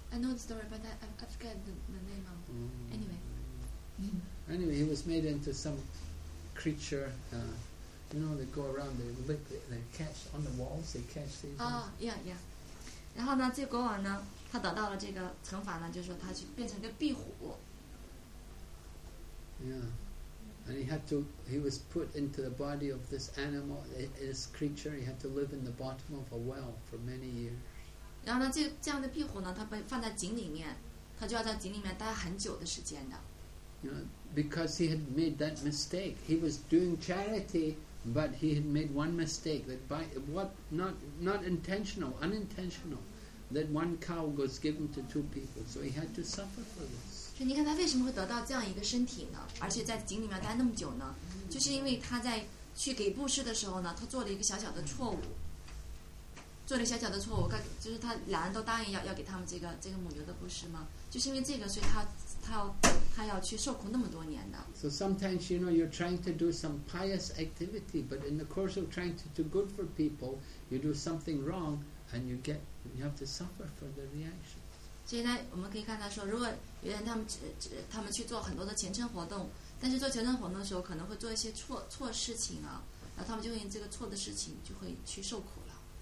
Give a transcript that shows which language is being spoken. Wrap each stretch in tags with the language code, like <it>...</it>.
<en>I know the story, but I forget the name of it. Anyway, he was made into some creature. You know, they go around, they lick, they catch on the walls, they catch these. Yeah.</en> <zh>然后呢，这个、国王呢，他得到了这个惩罚呢，就是说他去变成一个壁虎。</zh> <en>Yeah, and he was put into the body of this animal, this creature. He had to live in the bottom of a well for many years.</en> <zh>然后呢，这样的壁虎呢，他被放在井里面，他就要在井里面待很久的时间的。</zh> <en>You know, because he had made that mistake, he was doing charity. But he had made one mistake that by what not intentional, unintentional, that one cow was given to two people. So he had to suffer for this.</en> <zh>所以你看他为什么会得到这样一个身体呢？而且在井里面待那么久呢？就是因为他在去给布施的时候呢，他做了一个小小的错误，做了小小的错误。就是他两人都答应要给他们这个母牛的布施嘛，就是因为这个，所以他要去受苦那么多年的。</zh> <en>So sometimes you know you're trying to do some pious activity, but in the course of trying to do good for people, you do something wrong, and you have to suffer for the reaction.</en> <zh>所以呢，我们可以看到说，如果有人他们去做很多的虔诚活动，但是做虔诚活动的时候可能会做一些错事情啊，然后他们就会因这个错的事情就会去受苦了。</zh>